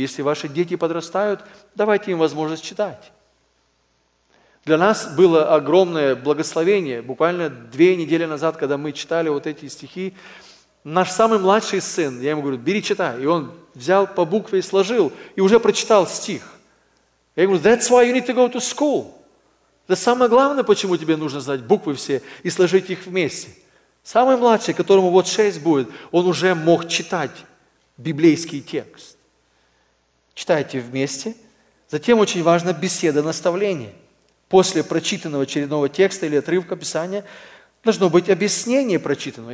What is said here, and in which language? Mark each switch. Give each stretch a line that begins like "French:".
Russian: Если ваши дети подрастают, давайте им возможность читать. Для нас было огромное благословение. Буквально 2 недели назад, когда мы читали вот эти стихи, наш самый младший сын, я ему говорю, бери, читай. И он взял по букве и сложил, и уже прочитал стих. Я говорю,
English: that's why you need to go to school.
Russian: Это самое главное, почему тебе нужно знать буквы все и сложить их вместе. Самый младший, которому вот 6 будет, он уже мог читать библейский текст. Читайте вместе. Затем очень важна беседа, наставление. После прочитанного очередного текста или отрывка Писания должно быть объяснение прочитано.